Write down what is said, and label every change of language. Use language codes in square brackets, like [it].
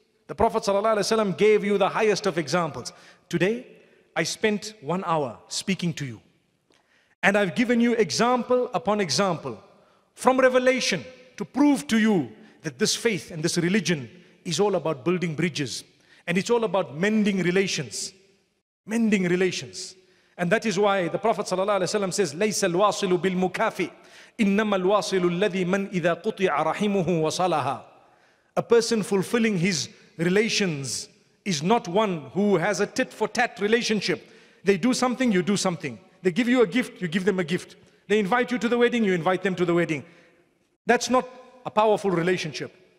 [en] The Prophet ﷺ gave you the highest of examples. Today, I spent 1 hour speaking to you. And I've given you example upon example from revelation to prove to you that this faith and this religion is all about building bridges. And it's all about mending relations. Mending relations. [ar] And that is why the Prophet ﷺ says, لَيْسَ الْوَاصِلُ بِالْمُكَافِ إِنَّمَا الْوَاصِلُ الَّذِي مَنْ إِذَا قُطِعَ رَحِمُهُ وَصَلَهَا. [en] A person fulfilling his relations is not one who has a tit-for-tat relationship. They do something, you do something. They give you a gift, you give them a gift. They invite you to the wedding, you invite them to the wedding. That's not a powerful relationship.